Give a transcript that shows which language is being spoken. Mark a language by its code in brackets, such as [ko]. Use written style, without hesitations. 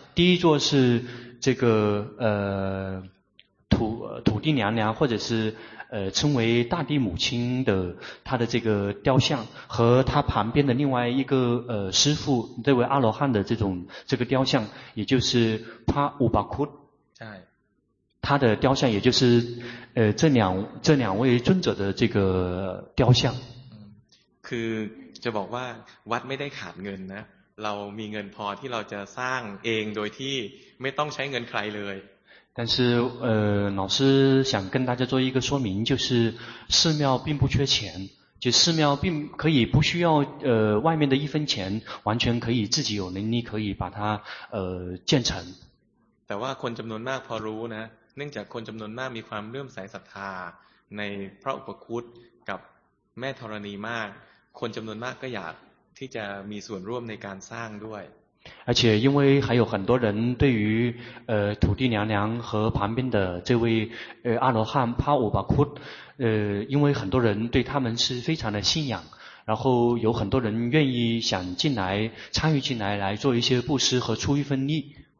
[zh] 第一座是这个土地娘娘，或者是称为大地母亲的她的这个雕像，和她旁边的另外一个师父，这位阿罗汉的这个雕像，也就是帕乌巴库，在他的雕像，也就是这两位尊者的这个雕像。 [th] 嗯，คือจะบอกว่าวัดไม่ได้ขาดเงินนะเรามีเงินพอที่เราจะสร้างเองโดยที่ไม่ต้องใช้เงินใครเลย。 [zh] 但是老师想跟大家做一个说明，就是寺庙并不缺钱，就寺庙并可以不需要外面的一分钱，完全可以自己有能力可以把它建成。 [th] แต่ว่าคนจำนวนมากพอรู้นะเนื่องจากคนจำนวนมากมีความเลื่อมใสศรัทธาในพระอุปคุตกับแม่ธรณีมากคนจำนวนมากก็อยากที่จะมีส่วนร่วมในการสร้างด้วย [zh] 而且因为还有很多人对于土地娘娘和旁边的这位阿罗汉帕乌巴库因为很多人对他们是非常的信仰，然后有很多人愿意想进来参与进来来做一些布施和出一份力。